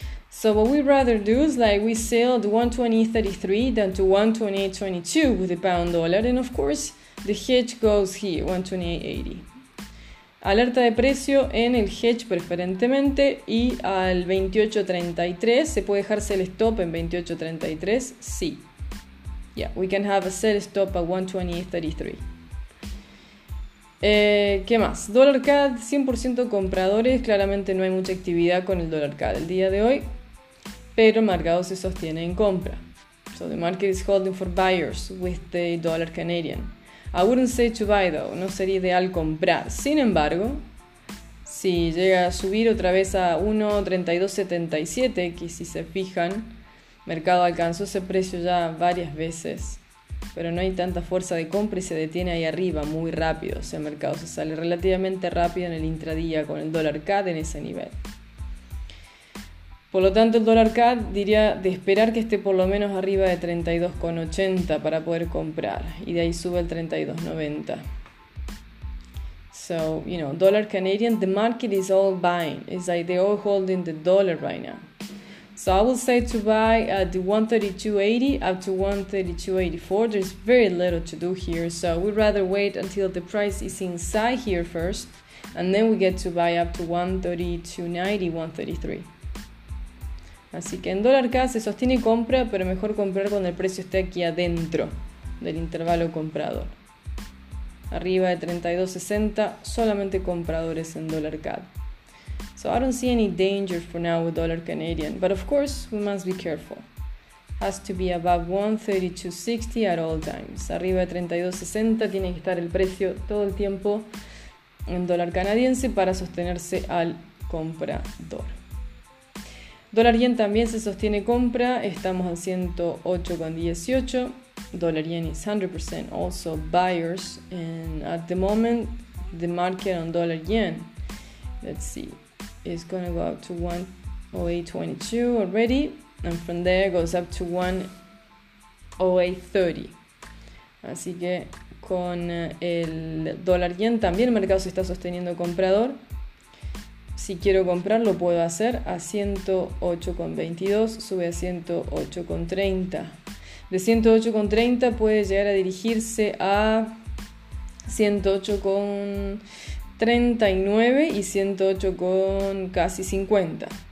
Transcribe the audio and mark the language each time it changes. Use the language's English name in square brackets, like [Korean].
[English] So what we'd rather do is like we sell the 1.2833 down to 1.2822 with the pound dollar. And of course, the hedge goes here, 1.2880. [Spanish] Alerta de precio en el hedge preferentemente y al 28.33. ¿Se puede dejarse el stop en 28.33? Sí. [English] Yeah, we can have a sell stop at 1.2833. [Spanish] ¿Qué más? Dollar CAD, 100% compradores. Claramente no hay mucha actividad con el dollar CAD el día de hoy. Pero el mercado se sostiene en compra. [English] So the market is holding for buyers with the dollar Canadian. I wouldn't say to buy though, [Spanish] no sería ideal comprar. Sin embargo, si llega a subir otra vez a 1.3277, que si se fijan, mercado alcanzó ese precio ya varias veces, pero no hay tanta fuerza de compra y se detiene ahí arriba muy rápido. O sea, el mercado se sale relativamente rápido en el intradía con el dólar CAD en ese nivel. Por lo tanto, el dólar CAD diría de esperar que esté por lo menos arriba de 32.80 para poder comprar. Y de ahí sube el 32.90. [English] So, you know, dollar Canadian, the market is all buying. It's like they're all holding the dollar right now. So I would say to buy at the 1.3280 up to 1.3284. There's very little to do here. So we'd rather wait until the price is inside here first. And then we get to buy up to 1.3290, 1.33. [Spanish] Así que en dólar CAD se sostiene compra, pero mejor comprar cuando el precio esté aquí adentro del intervalo comprador. Arriba de 32.60, solamente compradores en dólar CAD. [English] So I don't see any danger for now with dollar Canadian, but of course we must be careful. Has to be above 132.60 at all times. [Spanish] Arriba de 32.60 tiene que estar el precio todo el tiempo en dólar canadiense para sostenerse al comprador. Dólar yen también se sostiene compra, estamos a 108.18. [English] Dollar yen is 100% also buyers, and at the moment the market on dollar yen, let's see, is going to go up to 108.22 already, and from there goes up to 108.30. [Spanish] Así que con el dólar yen también el mercado se está sosteniendo comprador. Si quiero comprar lo puedo hacer a 108.22, sube a 108.30. De 108.30 puede llegar a dirigirse a 108.39 y 108 con casi 50.